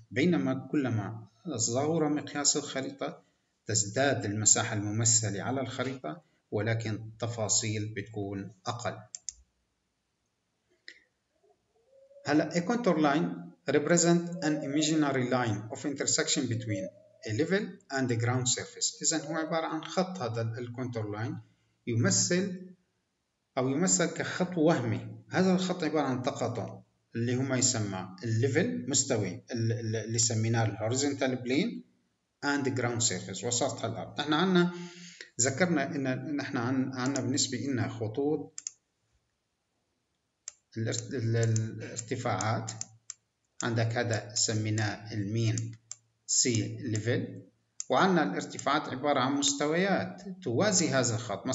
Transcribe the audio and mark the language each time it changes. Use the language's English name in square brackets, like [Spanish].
[Arabic] بينما كلما صغر مقياس الخريطة تزداد المساحة الممثلة على الخريطة، ولكن التفاصيل بتكون أقل. [English] هلأ a contour line represent an imaginary line of intersection between a level and the ground surface، [Arabic] إذن هو عبارة عن خط، هذا الكونتور لاين يمثل أو يمثل كخط وهمي. هذا الخط عبارة عن تقاطع اللي هما يسمى الليفل، مستوي اللي سميناه الهوريزونتال بلين، [English] and the ground surface [Arabic] وسطح الأرض. نحن عنا ذكرنا إن نحن عنا بالنسبة إن خطوط الارتفاعات، عندك هذا سميناه المين سي ليفل، وعندنا الارتفاعات عبارة عن مستويات توازي هذا الخط.